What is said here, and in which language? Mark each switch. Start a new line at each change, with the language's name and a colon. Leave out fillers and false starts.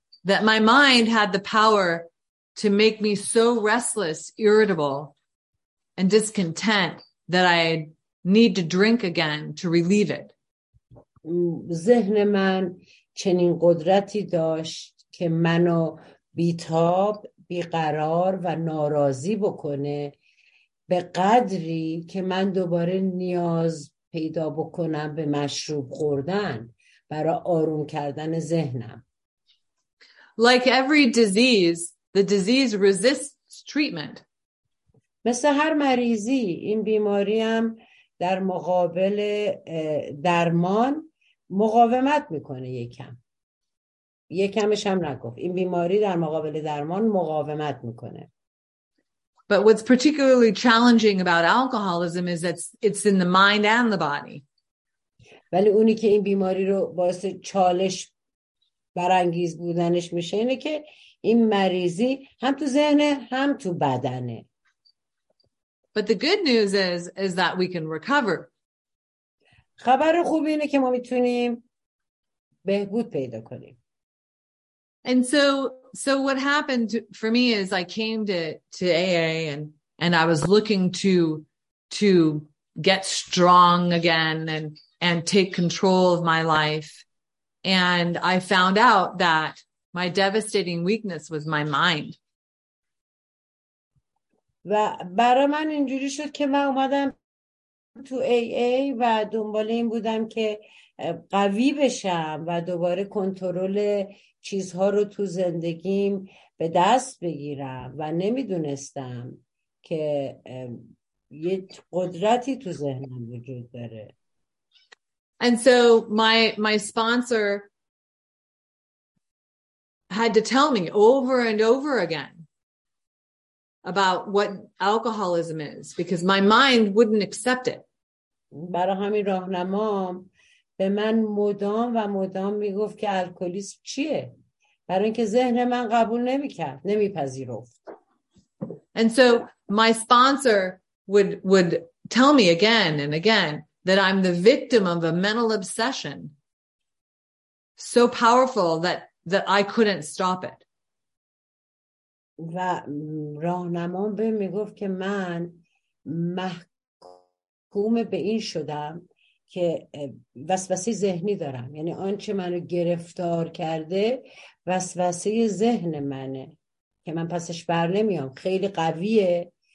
English: That my mind had the power to make me so restless, irritable, and discontent that I need to drink again to relieve it.
Persian: ذهن من چنین قدرتی داشت که منو بیتاب، بیقرار و ناراضی بکنه به قدری که من دوباره نیاز پیدا بکنم به مشروب خوردن برای آروم کردن ذهنم.
English: Like every disease, the disease resists treatment.
Persian: مثل هر مریضی، این بیماری هم در مقابل درمان مقاومت میکنه یکم. یکمش هم نگفت. این بیماری در مقابل درمان مقاومت میکنه.
English: But what's particularly challenging about alcoholism is that it's in the mind and the body.
Persian: ولی اونی که این بیماری رو باعث چالش برانگیز بودنش میشه اینه که این مریضی هم تو ذهنه هم تو بدنه.
English: But the good news is that we can recover.
Persian: خبر خوب اینه که ما میتونیم بهبود پیدا کنیم.
English: And so what happened for me is I came to AA and I was looking to get strong again and take control of my life. And I found out that my devastating weakness was my mind.
Persian: و برای من اینجوری شد که من اومدم تو AA و دنبال این بودم که قوی بشم و دوباره کنترل چیزها رو تو زندگیم به دست بگیرم و نمیدونستم که یه قدرتی تو ذهنم وجود داره.
English: And so my sponsor had to tell me over and over again about what alcoholism is because my mind wouldn't accept it.
Persian: برای همین راهنمام به من مدام و مدام میگفت که الکلیسم چیه، برای اینکه ذهن من قبول نمیکرد، نمیپذیرفت.
English: And so my sponsor would tell me again and again that I'm the victim of a mental obsession so powerful that I couldn't stop it.
Persian: و راهنمام به میگفت که من محکوم به این شدم که وسوسه ذهنی دارم، یعنی آنچه منو گرفتار کرده وسوسه ذهن منه که من پسش بر نمیام، خیلی قویه